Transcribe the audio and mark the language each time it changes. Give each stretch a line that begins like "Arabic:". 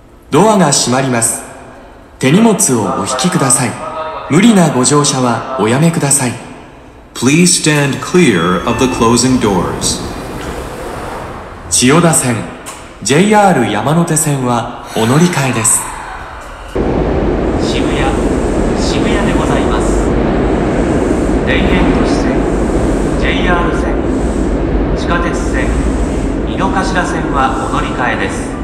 Japanese: ドアが閉まります。手荷物をお引きください。無理なご乗車はおやめください。
English: Please stand clear of the closing doors.
Japanese: 千代田線、JR 山手線はお乗り換えです。渋谷でございます。田園都市線、JR 線、地下鉄線、井の頭線はお乗り換えです。